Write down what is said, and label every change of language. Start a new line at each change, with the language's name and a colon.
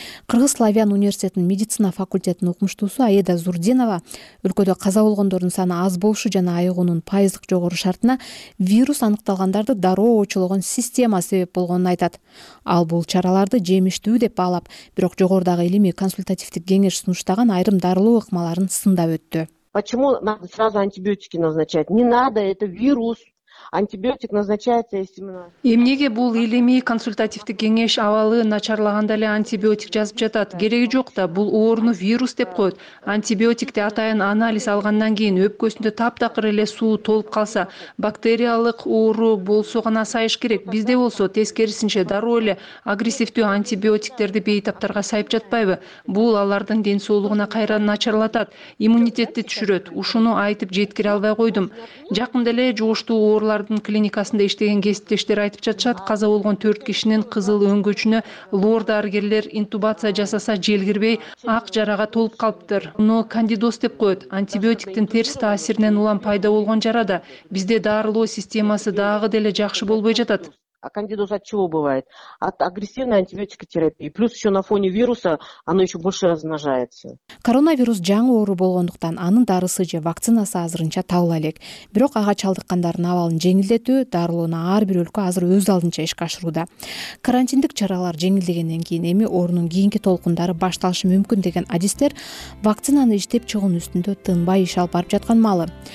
Kyrgyz: Кыргыз Славян университетинин медицина факультетинин укмуштуусу Аеда Зурдинова өлкөдө каза болгондордун саны аз болушу жана айыгуунун пайыздык жогору шартына вирус аныкталгандарды дароо оочолгон система себеп болгонун айтат. Ал бул чараларды жемиштүү деп баалап, бирок жогорудагы илимий консультативдик кеңеш сунуштаган айрым дарылоо ыкмаларын сындап өттү.
Russian: Почему надо сразу антибиотики назначать? Не надо, это вирус. Антибиотик назначается, если мы...
Kyrgyz: Эмнеге бул илимий консультативдик кеңеш абалы начарлаганда эле антибиотик жазып жатат? Кереги жок да, бул ооруну вирус деп коет. Антибиотикти атайын анализ алгандан кийин өпкөсүндө таптакыр эле суу толуп калса, бактериялык оору болсо гана сайыш керек. Бизде болсо тескерисинче дароо эле агрессивдүү антибиотиктерди бейтаптарга сайып жатпайбы? Бул алардын ден соолугуна кайра начарлатат, иммунитетти түшүрөт. Ушуну айтып жеткире албай койдум. Жакында эле жугуштуу оорулардын клиникасында иштеген кесиптештер айтып жатышат, каза болгон 4 кишинин кызыл өңгөчүнө лор дарыгерлер интубация жасаса желгирбей ак жарага толуп калыптыр. Муну кандидоз деп коет. Антибиотиктин терс таасиринен улам пайда болгон жара да бизде дарылоо системасы дагы деле жакшы болбой жатат.
Russian: А кандидоз от чего бывает? От агрессивной антибиотикотерапии. Плюс еще на фоне вируса оно еще больше размножается.
Kyrgyz: Коронавирус жаңы оору болгондуктан анын дарысы же вакцинасы азырынча табыла элек. Бирок ага чалдыккандардын абалын жеңилдетүү, дарылоону ар бир өлкө азыр өз алдынча иш кашырууда. Карантиндик чаралар жеңилдегенден кийин эми оорунун кийинки толкундары башталышы мүмкүн деген адистер вакцинаны иштеп чыгуунун үстүндө тынбай иш алып барып жаткан маалы.